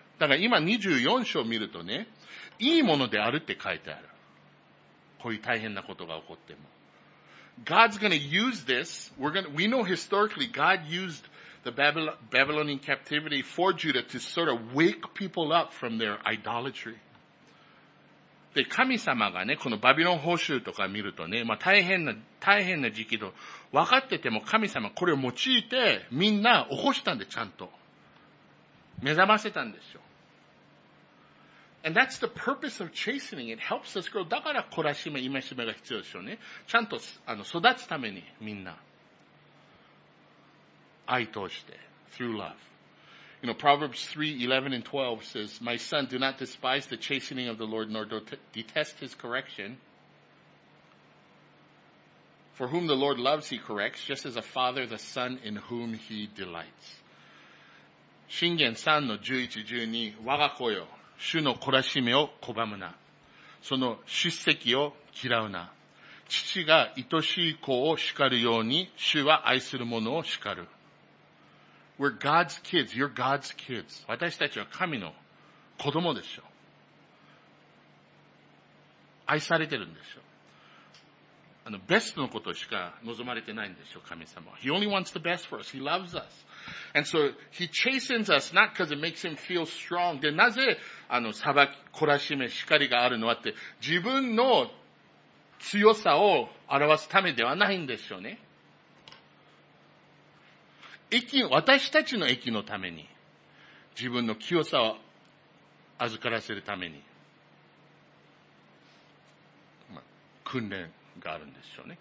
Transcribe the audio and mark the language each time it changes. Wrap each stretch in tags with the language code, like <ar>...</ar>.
<ja>だから今24章を見るとね、いいものであるって書いてある。こういう大変なことが起こっても。</ja> <en>God's gonna use this. We know historically God used the Babylonian captivity for Judah to sort of wake people up from their idolatry.</en> <ja>で、神様がね、このバビロン捕囚とか見るとね、まあ大変な時期と分かってても神様これを用いてみんな起こしたんで、ちゃんと。目覚ませたんですよ。</ja> <en>And that's the purpose of chastening. It helps us grow.</en> <ja>だから懲らしめ、戒めが必要でしょうね。ちゃんと育つためにみんな愛として</ja> <en>through love. You know, Proverbs 3:11 and 12 says, "My son, do not despise the chastening of the Lord, nor detest his correction. For whom the Lord loves, he corrects, just as a father the son in whom he delights."</en> <ja>箴言3:11-12, 我が子よ。主の懲らしめを拒むな。その叱責を嫌うな。父が愛しい子を叱るように、主は愛する者を叱る。</ja> <en>We're God's kids. You're God's kids.</en> <ja>私たちは神の子供でしょう。愛されてるんでしょう。ベストのことしか望まれてないんでしょう、神様は。</ja> <en>He only wants the best for us. He loves us. And so, he chastens us not because it makes him feel strong.</en> <ja>で、なぜ、裁き、懲らしめ、叱りがあるのはって、自分の強さを表すためではないんでしょうね。私たちの益のために、自分の清さを預からせるために、まあ、訓練。があるんでしょうね。</ja>